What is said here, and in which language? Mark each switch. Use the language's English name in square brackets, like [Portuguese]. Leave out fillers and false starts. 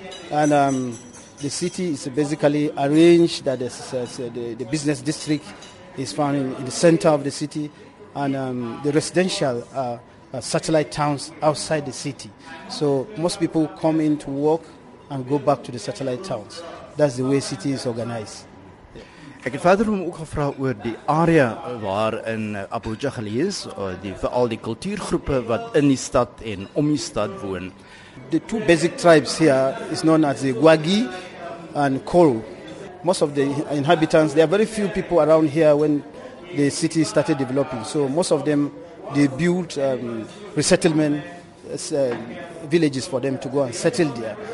[English] And the city is basically arranged that the business district is found in the center of the city. And the residential are satellite towns outside the city. So most people come in to work and go back to the satellite towns. That's the way city is organized. [Afrikaans] Ek het verder hom ook gevra oor die area waar in Abuja geleë is, veral die kultuurgroepe wat in die stad en om die stad woon. [English] The two basic tribes here is known as the Gwagi and Koru. Most of the inhabitants, there are very few people around here when the city started developing. So most of them, they built resettlement villages for them to go and settle there.